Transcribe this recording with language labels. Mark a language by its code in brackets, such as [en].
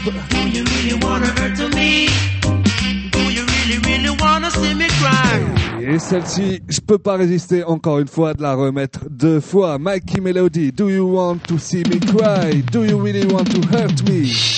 [en] Do you really wanna hurt to me? Do you really, really wanna see me cry? [fr] Et celle-ci, je peux pas résister encore une fois de la remettre deux fois. [en] Mikey Melody, do you want to see me cry? Do you really want to hurt me?